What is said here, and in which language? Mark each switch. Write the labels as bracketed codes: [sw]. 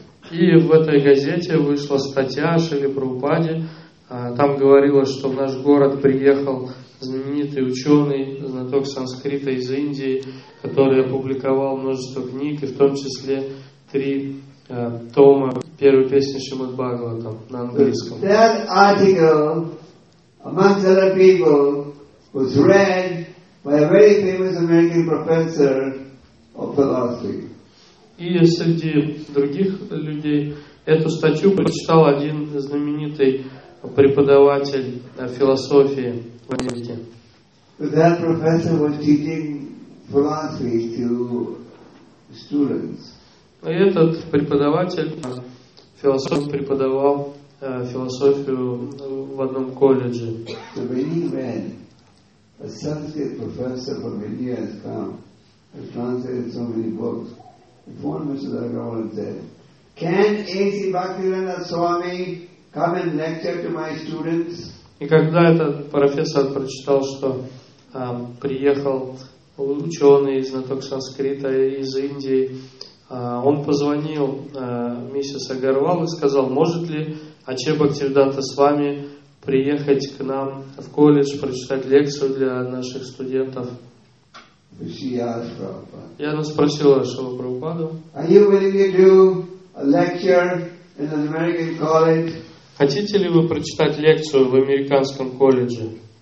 [ru] И в этой газете вышла статья о Шриле Прабхупаде. Там говорилось, что в наш город приехал знаменитый ученый, знаток санскрита из Индии, который опубликовал множество книг, и в том числе три тома первой песни Шримад Бхагаватам на английском. [en] That article amongst other people was read by a very famous American professor of philosophy. [ru] И среди других людей эту статью прочитал один знаменитый преподаватель философии в Америке. [en] That professor was teaching philosophy to students. [ru] И этот преподаватель философ преподавал философию в одном колледже. [en] So many men, a Sanskrit professor from India has come and translated so many books. If one Mr. Agarwal said, can A.C. Bhaktivedanta Swami come and lecture to my students. [ru] И когда этот профессор прочитал, что приехал ученый, знаток санскрита из Индии, он позвонил миссис Агарвал и сказал, может ли Ачья Бхактивиданта с вами приехать к нам в колледж, прочитать лекцию для наших студентов. И она спросила Шрилу Прабхупаду, [en] are you willing to do a lecture in an American college? [ru] Хотите ли вы прочитать лекцию в американском колледже?